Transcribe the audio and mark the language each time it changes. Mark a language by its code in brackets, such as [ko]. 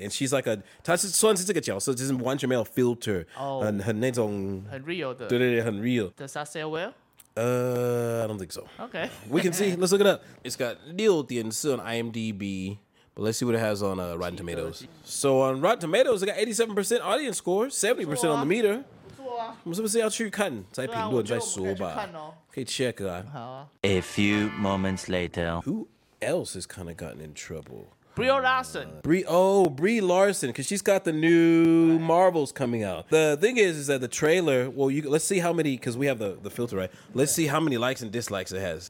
[en] And she's like [zh] 她是算是这个角色，就是完全没有 filter， 很那种很 real的，对对对，很 [en] real. Does that sell well? I don't think so. Okay. We can see. Let's look it up. It's got 6.4 on IMDb, but let's see what it has on Rotten Tomatoes. So on Rotten Tomatoes, it got 87% audience score, 70% on the meter. [zh] 不错啊。我们是不是要去看，再评论再说吧？可以check啊。好啊。 [en] A few moments later. Who else has kind of gotten in trouble? Brie Larson, because she's got the new Marvels coming out. The thing is that the trailer, well, let's see how many, because we have the filter, right? Let's see how many likes and dislikes it has.